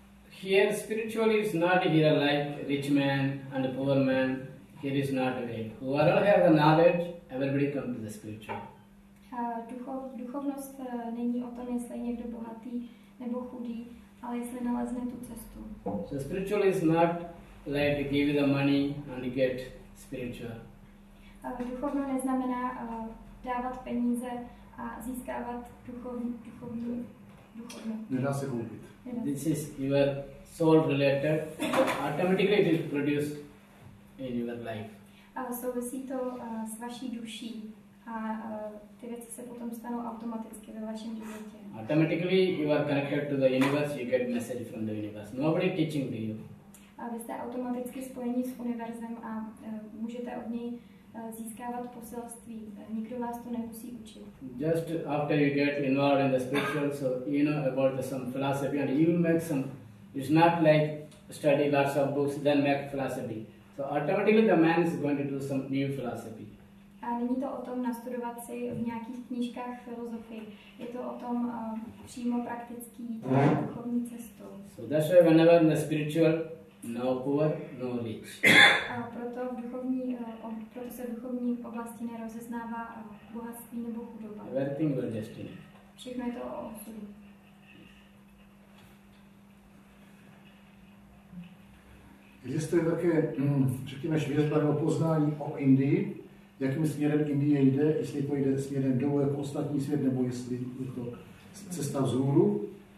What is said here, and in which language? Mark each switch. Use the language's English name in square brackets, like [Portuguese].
[English] Here spiritually is not here like rich man and poor man. Here is not way. Whoever has the knowledge, everybody comes to the spiritual. [Czech] Duchovnost není o tom, jestli někdo bohatý nebo chudý, ale jestli nalezne tu cestu. [English] So spiritual is not like give the money and get spiritual. [Czech] Duchovno neznamená dávat peníze a získávat duchovnost. Nedá se koupit. [English] This is your soul related, automatically it is produced in your life. [Czech] Souvisí to s vaší duší a ty věci se potom stanou automaticky ve vašem životě. [English] Automatically you are connected to the universe, you get message from the universe. Nobody teaching to you. [Czech] Vy jste automaticky spojeni s univerzem a můžete od něj získávat poselství. Nikdo vás to nemusí učit. [English] Just after you get involved in the spiritual, so you know about the, some philosophy and you make some, it's not like study lots of books, then make philosophy. So automatically the man is going to do some new philosophy. [Czech] A není to o tom nastudovat si v nějakých knížkách filozofii. Je to o tom přímo praktický duchovní cestou. [English] So that's why whenever in the spiritual, no poor, no rich. [Czech] A proto v duchovní, proto se v duchovní oblasti nerozeznává bohatství nebo chudoba. [English] Everything will destiny. [Czech] Všechno je to o osudu. Existuje také, řekněme, švěřba nebo poznání o Indii, jakým směrem Indie jde, jestli to jde směrem dolů jako ostatní svět, nebo jestli je to cesta vzhůru.